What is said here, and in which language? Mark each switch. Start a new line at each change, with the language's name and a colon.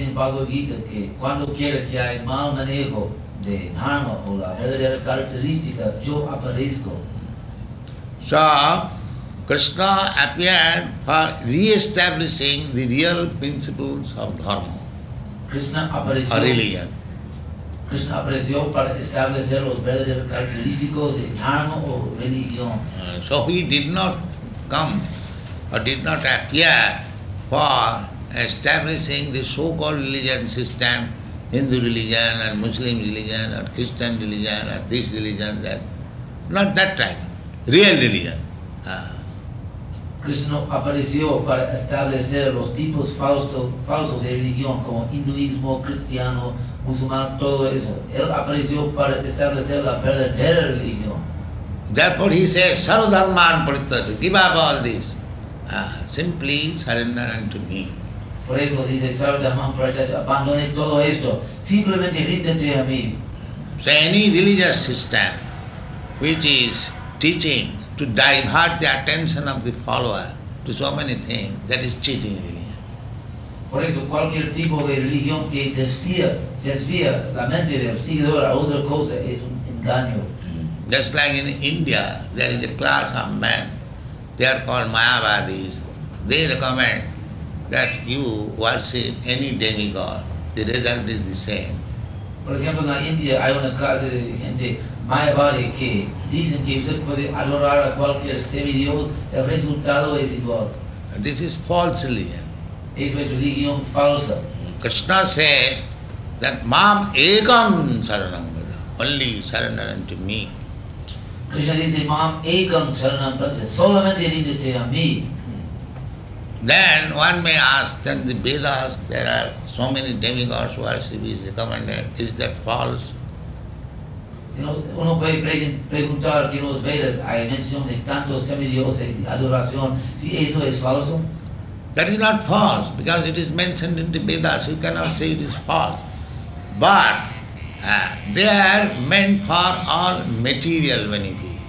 Spanish: in Bhagavad Gita que cuando quiera que haya mal manejo de dharma, o la verdadera característica, yo aparezco.
English: So, Krishna appeared for re-establishing the real principles of dharma.
Spanish: Krishna apareció.
English: Or religion.
Spanish: Krishna apareció para establecer los verdaderos característicos de dharma o religión.
English: So he did not come, or did not appear for establishing the so-called religion system, Hindu religion and Muslim religion or Christian religion or this religion, that. Not that type. Real religion.
Spanish: Krishna apareció para establecer los tipos falsos de religión como hinduismo, cristiano, musulmán, todo eso. Él apareció para establecer la verdadera religión.
English: Therefore he says,
Sanskrit: sarva dharman parityajya,
English: give up all this. Simply surrender unto me.
Spanish: Por eso dice,
Sanskrit: sarva dharman parityajya,
Spanish: abandone todo esto, simplemente ríndete a mí.
English: So any religious system which is teaching to divert the attention of the follower to so many things, that is cheating religion.
Spanish: Por eso cualquier tipo de religión que desvía la mente del seguidor a otra cosa es un engaño.
English: Just like in India, there is a class of men, they are called Mayavadis, they recommend that you worship any demigod, the result is the same. For example, in India, I own a class of
Spanish: gente Mayavadi que dicen que usted puede adorar a cualquier semidios, el resultado es igual.
English: This is false religion.
Spanish: Eso es religión falsa.
English: Krishna says that
Sanskrit: mam ekam saranam braja,
English: only surrender unto me.
Spanish: Krishna dice
Sanskrit: mam ekam saranam braja,
Spanish: solamente rindete a mí.
English: then one may ask, then the Vedas, there are so many demigods who are Shiva is recommended. Is that false?
Spanish: Uno puede preguntar que los Vedas hay mención de tantos semidioses y adoración, si eso es falso.
English: That is not false, because it is mentioned in the Vedas, you cannot say it is false. But they are meant for all material benefit.